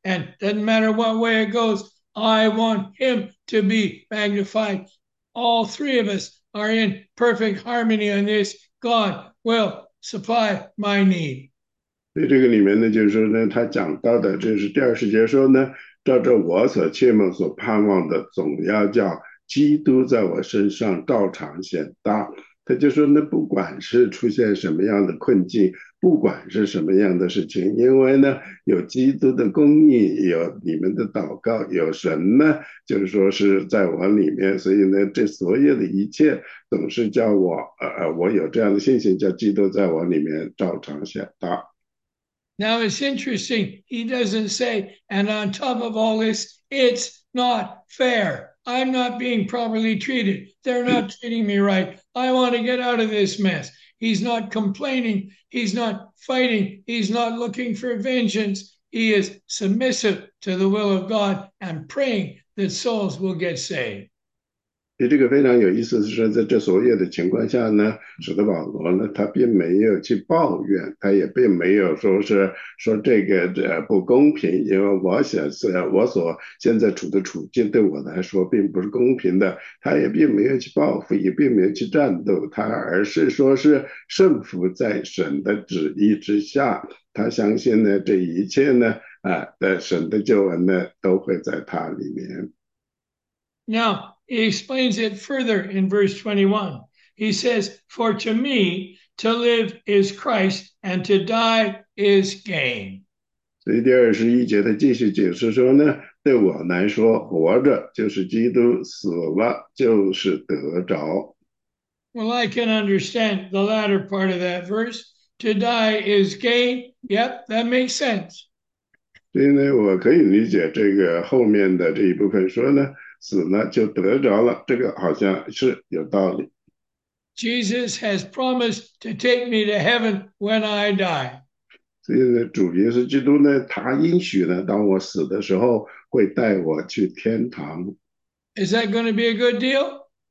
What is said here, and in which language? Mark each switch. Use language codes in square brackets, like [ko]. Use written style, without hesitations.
[en] And doesn't matter what way it goes, I want him to be magnified. All three of us are in perfect harmony on this. God will supply my need. [zh] 所以这个里面呢，就是说呢，他讲到的，这是第20节说呢。照着我所切慕、所盼望的，总要叫基督在我身上照常显大。他就说，那不管是出现什么样的困境，不管是什么样的事情，因为呢，有基督的供应，有你们的祷告，有神呢，就是说是在我里面，所以呢，这所有的一切总是叫我有这样的信心，叫基督在我里面照常显大。 [en] Now it's interesting, he doesn't say, and on top of all this, it's not fair. I'm not being properly treated. They're not treating me right. I want to get out of this mess. He's not complaining. He's not fighting. He's not looking for vengeance. He is submissive to the will of God and praying that souls will get saved. [zh] 所以这个非常有意思，是说在这所有的情况下呢，使得保罗呢，他并没有去抱怨，他也并没有说是说这个不公平，因为我所现在处的处境对我来说并不是公平的，他也并没有去报复，也并没有去战斗，他而是说是顺服在神的旨意之下，他相信呢这一切呢，在神的救恩呢都会在他里面。 [en] Now, he explains it further in verse 21. He says, For to me to live is Christ, and to die is gain. [zh] 所以第21节，他继续解释说呢，对我来说，活着就是基督，死了就是得着。 [en] Well, I can understand the latter part of that verse. To die is gain. Yep, that makes sense. [zh] 所以呢，我可以理解这个后面的这一部分说呢，死了就得着了，这个好像是有道理。 [en] Jesus has promised to take me to heaven when I die. [zh] 这个主题是基督呢，他应许呢，当我死的时候会带我去天堂。 [en] Is that going to be a good deal?